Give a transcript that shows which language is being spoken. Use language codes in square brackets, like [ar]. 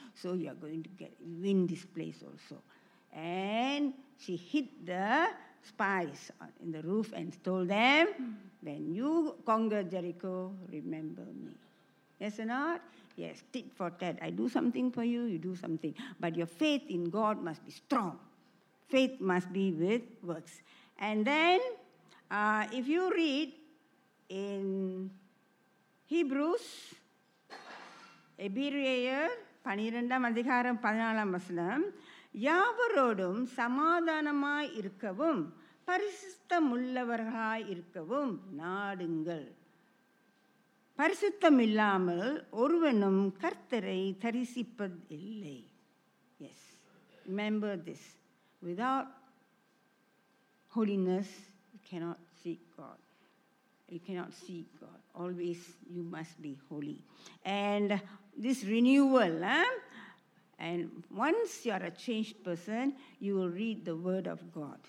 [en] So you are going to get win this place also. And she hid the spies in the roof and told them, when you conquer Jericho, remember me. Yes or not? Yes, tit for tat. I do something for you, you do something. But your faith in God must be strong. Faith must be with works. And then if you read in Hebrews, [ta] Ebirayer, 12 அதிகாரம் 14 வசனம், யாவரோடும் சமாதானமாய் இருக்கவும் பரிசுத்தமுள்ளவர்களாய் இருக்கவும் நாடுங்கள். பரிசுத்தம் இல்லாமல் ஒருவனும் கர்த்தரை தரிசிப்பதில்லை. [en] Yes, remember this, without holiness you cannot see God. You cannot see God. Always you must be holy. And this renewal, and once you are a changed person, you will read the Word of God.